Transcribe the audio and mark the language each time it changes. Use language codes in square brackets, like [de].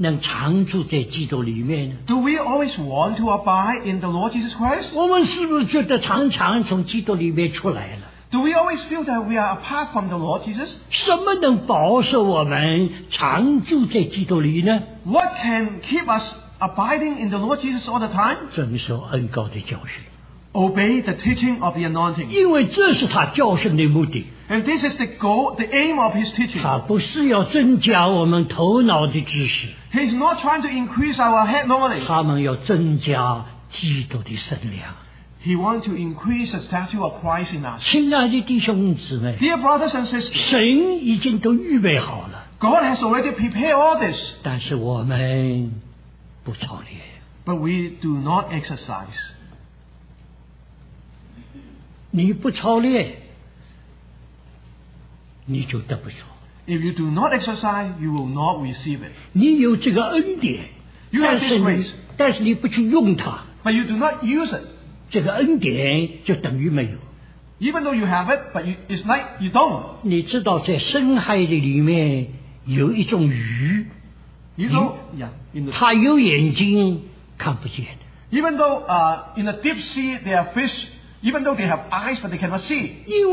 [zh] 我们是不是盼望能常住在基督里面呢? [en] Do we always want to abide in the Lord Jesus Christ? [zh] 我们是不是觉得常常从基督里面出来了? [en] Do we always feel that we are apart from the Lord Jesus? [zh] 什么能保守我们常住在基督里呢? [en] What can keep us abiding in the Lord Jesus all the time? [zh] 遵守恩膏的教训, [en] obey the teaching of the anointing. [zh] 因为这是他教训的目的, [en] and this is the goal, the aim of his teaching. [zh] 他不是要增加我们头脑的知识, [en] he's not trying to increase our head knowledge. [zh] 他们要增加基督的身量, [en] he wants to increase the statue of Christ in us. [zh] 亲爱的弟兄姊妹, [en] dear brothers and sisters, [zh] 神已经都预备好了, [en] God has already prepared all this. [zh] 但是我们不操练, [en] but we do not exercise. [zh] 你不操练, 你就得不着, [en] if you do not exercise, you will not receive it. [zh] 你有这个恩典, [en] you have this grace, [zh] 但是你不去用它, [en] but you do not use it, [zh] 这个恩典就等于没有, [en] even though you have it, but it's like you don't. [zh] 你知道在深海里面有一种鱼, [en] you know, yeah, in the, [zh] 它有眼睛看不见, [en] even though in the deep sea there are fish, even though they have eyes but they cannot see,